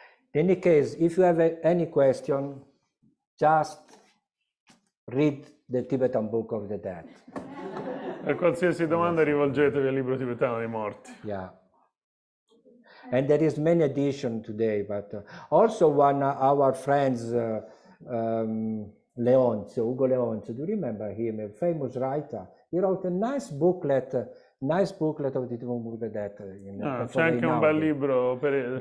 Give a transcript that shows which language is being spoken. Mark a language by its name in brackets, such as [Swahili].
[English] In any case, if you have any question, just read the Tibetan Book of the Dead. [Italian] Per qualsiasi domanda rivolgetevi al libro tibetano dei morti. [English] Yeah. And there is many edition today, but also one of our friends, Leoncio, Ugo Leoncio, do you remember him? A famous writer. He wrote a nice booklet of the Tibetan Book of the Dead. [Italian] C'è anche un bel libro per